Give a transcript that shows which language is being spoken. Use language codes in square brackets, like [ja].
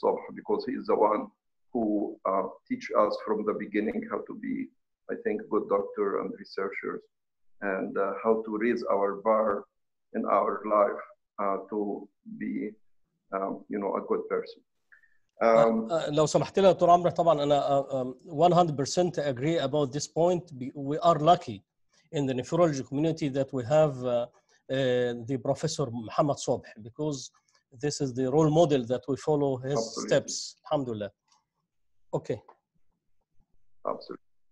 [en] Sob, because he is the one who teach us from the beginning how to be, I think, good doctor and researchers, and how to raise our bar in our life to be, you know, a good person. [ar] لو سمحت لي دكتور عمرو, طبعا انا 100% [en] agree about this point. We are lucky in the nephrology community that we have the professor Muhammad Sobh, because this is the role model that we follow his Absolutely. Steps. Alhamdulillah. Okay. Absolutely.